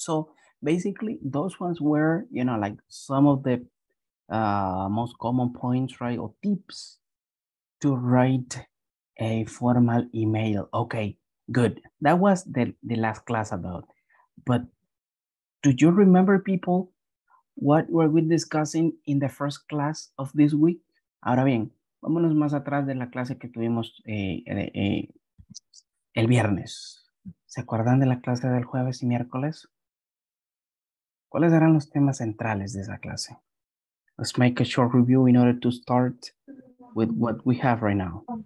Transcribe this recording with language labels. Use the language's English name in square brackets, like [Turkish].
[English] So basically those ones were, you know, like some of the most common points, right, or tips to write a formal email. Okay, good. That was the last class about. But do you remember, people, what were we discussing in the first class of this week? [Spanish] Ahora bien, vámonos más atrás de la clase que tuvimos el viernes. ¿Se acuerdan de la clase del jueves y miércoles? ¿Cuáles eran los temas centrales de esa clase? [English] Let's make a short review in order to start with what we have right now.